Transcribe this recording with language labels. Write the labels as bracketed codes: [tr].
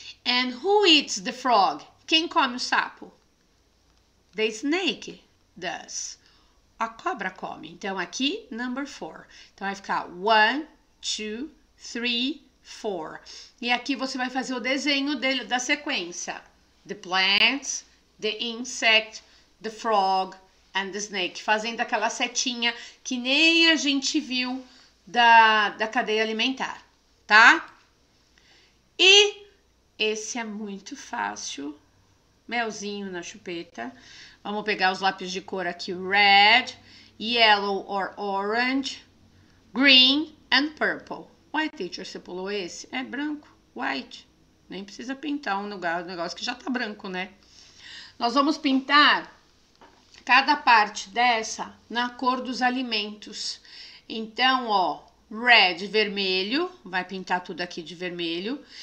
[en] And who eats the frog? [pt] Quem come o sapo? [en] The snake does. [pt] A cobra come. Então aqui, [en] number four. [pt] Então vai ficar [en] one, two, three. Four. [pt] E aqui você vai fazer o desenho dele da sequência. [en] The plants, the insect, the frog and the snake. [pt] Fazendo aquela setinha que nem a gente viu da cadeia alimentar, tá? E esse é muito fácil. Melzinho na chupeta. Vamos pegar os lápis de cor aqui. [en] Red, yellow or orange, green and purple. [pt] Uai, teacher, você pulou esse? É branco, white. Nem precisa pintar um lugar, um negócio que já tá branco, né? Nós vamos pintar cada parte dessa na cor dos alimentos. Então, ó, red, vermelho, vai pintar tudo aqui de vermelho.